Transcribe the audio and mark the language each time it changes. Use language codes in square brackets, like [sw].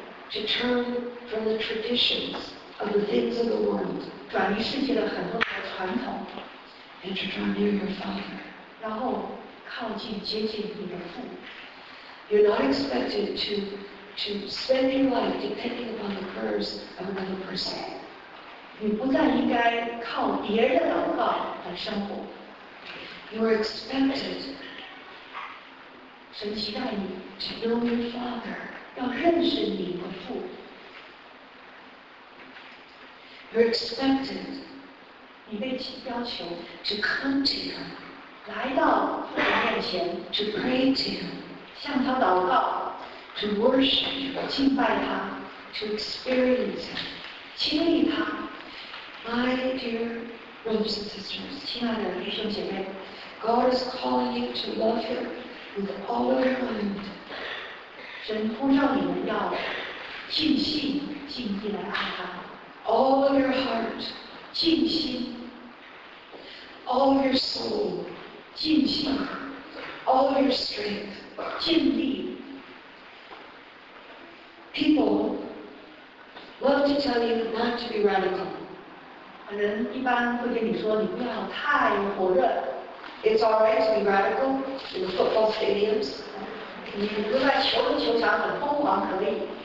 [en] to turn from the traditions of the things of the world, [zh] 转离世界的很多的传统, [en] and to draw near your Father. [zh] 然后靠近接近你的父。 [en] You're not expected to spend your life depending upon the prayers of another person. [zh] 你不再应该靠别人的祷告来生活。 [en] You are expected, [zh] 神期待你, [en] to know your Father, [zh] 要认识你的父。 [en] You're expected, [zh] 你被要求, [en] to come to him, [zh] 来到父亲面前, [en] to pray to him, [zh] 向他祷告, [en] to worship him, [zh] 敬拜他, [en] to experience him, [zh] 经历他。 [en] My dear brothers and sisters, [zh] 亲爱的弟兄姐妹, [en] God is calling you to love him with all of your mind. [zh] 神呼召你们要尽心尽意地爱他。 [en] All of your heart, [zh] 尽心, [en] all of your soul, [zh] 尽心, [en] all of your strength, [zh] 尽力. [en] People love to tell you not to be radical. [zh] 人一般会跟你说你不要太火热。 [en] It's all right to be radical in the football stadiums. [zh] 你如果在球场很疯狂可以。